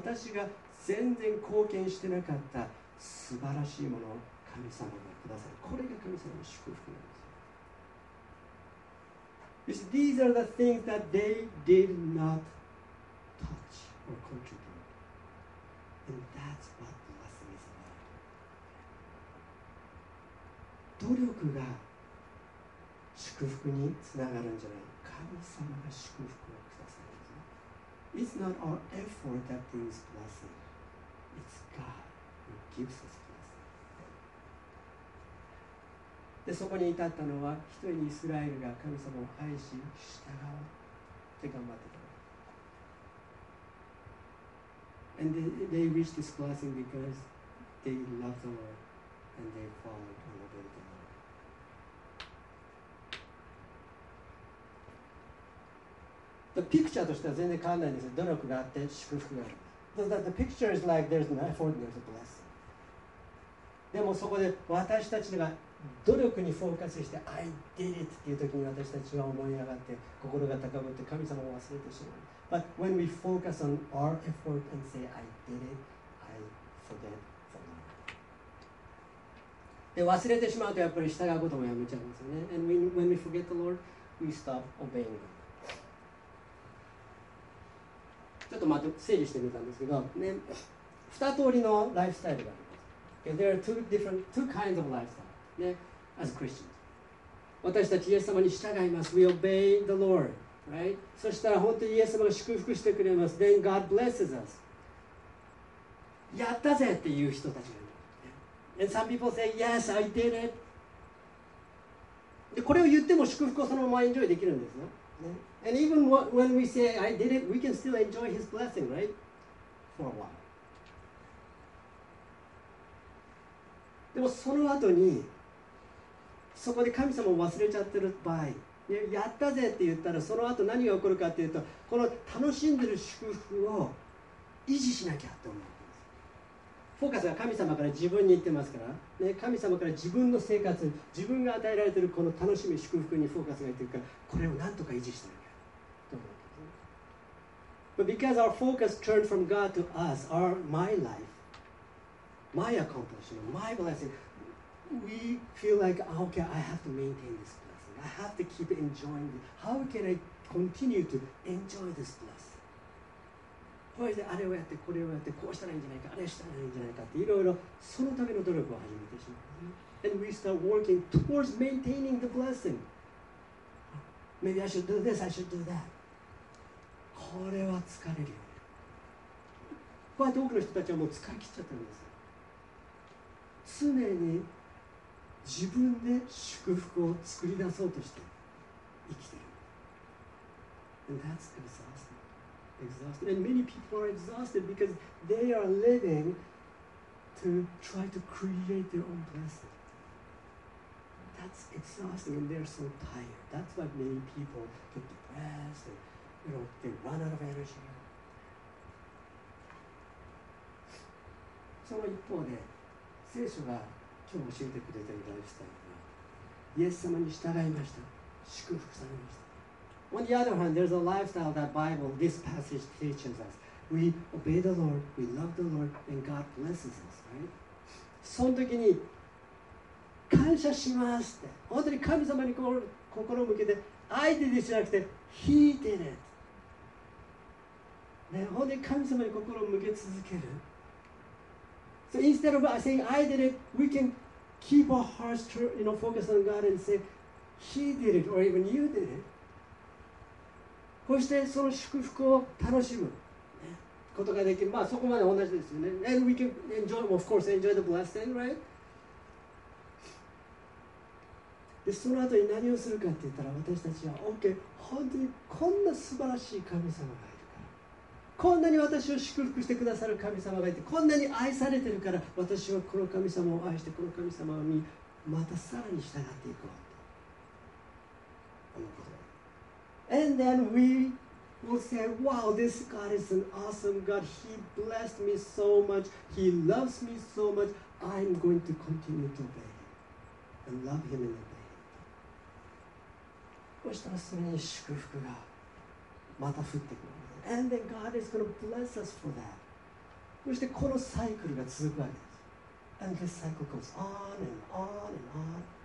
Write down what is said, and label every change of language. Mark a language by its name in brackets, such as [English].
[Japanese] 私が全然貢献してなかった素晴らしいものを神様がください。これが神様の祝福なんです。 [English] You see, these are the things that they did not touch or contribute. And that's what blessing is about. [Japanese] 努力が祝福につながるんじゃない。神様が祝福をくださるんですね。 [English] It's not our effort that brings blessing. It's God who gives us blessing. [Japanese] で、そこに至ったのは、一人にイスラエルが神様を愛し、従おうって頑張ってた。 [English] And they reached this blessing because they loved the Lord and they followed and obeyed the Lord. The picture [Japanese] としては全然変わらないんですよ。努力があって祝福がある。 [English] So that the picture is like there's an effort, there's a blessing. [Japanese] でもそこで私たちが努力にフォーカスして [English] I did it [Japanese] っていう時に私たちは思い上がって心が高ぶって神様を忘れてしまう。 [English] But when we focus on our effort and say I did it, I forget the Lord. [Japanese] で忘れてしまうとやっぱり従うこともやめちゃうんですよね。 [English] And when we forget the Lord, we stop obeying Him. [Japanese] ちょっと待って整理してみたんですけど、ね、二通りのライフスタイルがあります。 [English] There are two kinds of lifestyle、ね、as Christians. [Japanese] 私たちイエス様に従います。 [English] We obey the Lord, right? [Japanese] そしたら本当にイエス様が祝福してくれます。 [English] Then God blesses us. [Japanese] やったぜっていう人たちがいる。 [English] And some people say, Yes, I did it. [Japanese] でこれを言っても祝福をそのままエンジョイできるんですよ。ね、 [English] And even when we say, I did it, we can still enjoy his blessing, right? For a while. [Japanese] でもその後に、そこで神様を忘れちゃってる場合、ね、やったぜって言ったら、その後何が起こるかっていうと、この楽しんでる祝福を維持しなきゃと思うんです。フォーカスが神様から自分に言ってますから、ね、神様から自分の生活、自分が与えられてるこの楽しみ、祝福にフォーカスが言ってるから、これをなんとか維持してる。 [English] But because our focus turned from God to us, our my life, my accomplishment, my blessing, we feel like, okay, I have to maintain this blessing. I have to keep enjoying it. How can I continue to enjoy this blessing? [Japanese] これであれをやって、これをやって、こうしたらいいんじゃないか、あれしたらいいんじゃないかっていろいろそのための努力を始めてしまう。 [English] And we start working towards maintaining the blessing. Maybe I should do this, I should do that. [Japanese] これは疲れるよね。こうやって多くの人たちはもう疲れ切っちゃってるんです。常に自分で祝福を作り出そうとして生きている。 [English] And that's exhausting. Exhausting. And many people are exhausted because they are living to try to create their own blessing. That's exhausting and they're so tired. That's why many people get depressed and you know, they run out of energy. [Japanese] その一方で、聖書が今日教えてくれているライフスタイルは、イエス様に従いました。祝福されました。 [English] On the other hand, there's a lifestyle that Bible, this passage teaches us. We obey the Lord, we love the Lord, and God blesses us, right? [Japanese] その時に、感謝しますって、本当に神様に心を向けて、 [English] I did it [Japanese] じゃなくて、 [English] He did it。 [Japanese] 本当に神様に心を向け続ける。 [English] So instead of saying I did it, we can keep our hearts you know, focused on God and say He did it or even you did it. [Japanese] そしてその祝福を楽しむことができる。まあそこまで同じですよね。 [English] And we can enjoy, of course, enjoy the blessing, right? でその後に何をするかって言ったら私たちは OK、本当にこんな素晴らしい神様がこんなに私を祝福してくださる神様がいてこんなに愛されてるから私はこの神様を愛してこの神様にまたさらに従っていこうと思うこと。 And then we will say Wow, this God is an awesome God. He blessed me so much. He loves me so much. I'm going to continue to obey Him and love Him and obey Him. [Japanese] そしたらそれに祝福がまた降ってくる。 [English] And then God is going to bless us for that. [Japanese] そしてこのサイクルが続くわけです。 [English] And this cycle goes on and on and on.